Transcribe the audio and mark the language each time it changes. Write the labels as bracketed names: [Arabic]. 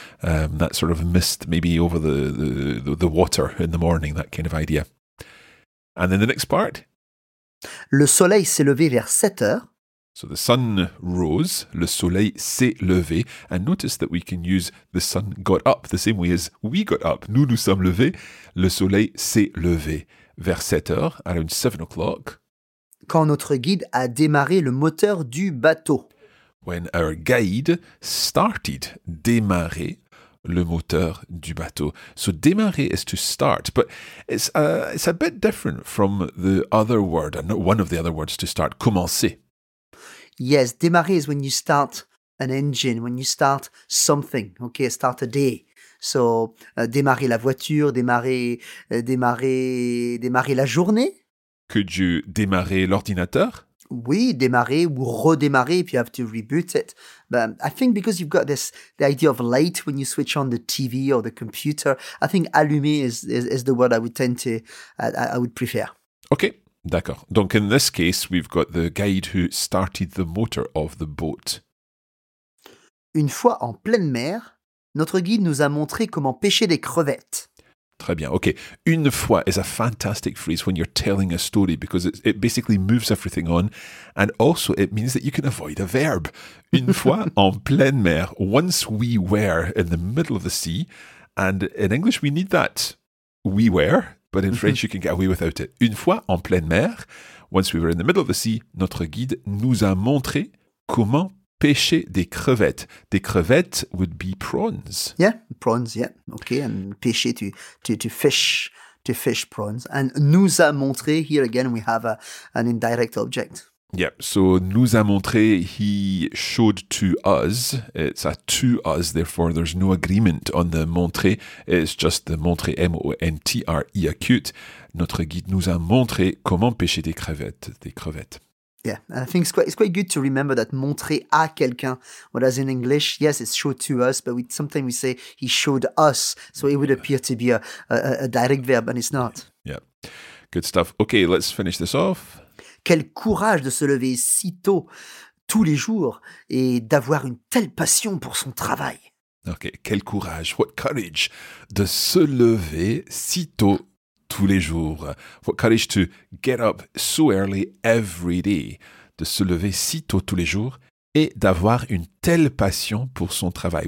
[English] That sort of mist maybe over the water in the morning, that kind of idea. And then the next part. [French] Le soleil s'est levé vers 7 heures. [English] So the sun rose, [French] le soleil s'est levé. [English] And notice that we can use the sun got up the same way as we got up. [French] Nous nous sommes levés, le soleil s'est levé. Vers 7 heures, [English] around 7 o'clock. [French] Quand notre guide a démarré le moteur du bateau. [English] When our guide started, [French] démarrer le moteur du bateau. [English] So démarrer is to start, but it's a bit different from the other word, one of the other words to start, commencer. Yes, démarrer is when you start an engine, when you start something, okay, start a day. [French] So, démarrer la voiture, démarrer la journée. [English] Could you [French] démarrer l'ordinateur? Oui, démarrer ou redémarrer [English] if you have to reboot it. But I think because you've got this, the idea of light when you switch on the TV or the computer, I think allumer is the word I would prefer. [French] Okay, d'accord. [English] Donc, in this case, we've got the guide who started the motor of the boat. [French] Une fois en pleine mer, notre guide nous a montré comment pêcher des crevettes. Très bien, ok. [English] Une fois is a fantastic phrase when you're telling a story because it basically moves everything on and also it means that you can avoid a verb. [French] Une fois en pleine mer, [English] once we were in the middle of the sea, and in English we need that, we were, but in French you can get away without it. Une fois en pleine mer, Once we were in the middle of the sea, [French] notre guide nous a montré comment pêcher des crevettes. Des crevettes [English] would be prawns. Yeah, prawns, yeah. Okay, and pêcher, to fish prawns. And [French] nous a montré, [English] here again we have an indirect object. Yeah, so [French] nous a montré, [English] he showed to us. It's a to us, therefore there's no agreement on the montrer. It's just the montrer, M-O-N-T-R-E, acute. [French] Notre guide nous a montré comment pêcher des crevettes. [English] Yeah, and I think it's quite good to remember that [French] montrer à quelqu'un, [English] whereas in English, yes, it's show to us, but sometimes we say he showed us, so it would appear to be a direct verb, and it's not. Yeah, good stuff. Okay, let's finish this off. [French] Quel courage de se lever si tôt, tous les jours, et d'avoir une telle passion pour son travail. [English] Okay, [French] quel courage, [English] what courage, [French] de se lever si tôt, tous les jours. [English] What courage to get up so early every day. [French] De se lever si tôt tous les jours et d'avoir une telle passion pour son travail.